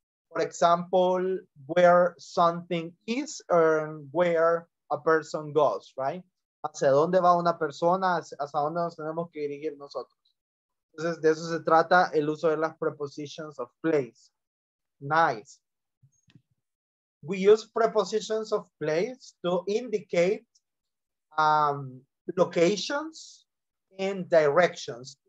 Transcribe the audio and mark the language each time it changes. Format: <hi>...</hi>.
<en>For example, where something is and where a person goes, right?</en> <es>¿Hacia dónde va una persona? ¿Hacia dónde nos tenemos que dirigir nosotros? Entonces, de eso se trata el uso de las prepositions of place.</es> <en>Nice. We use prepositions of place to indicate locations and directions.</en>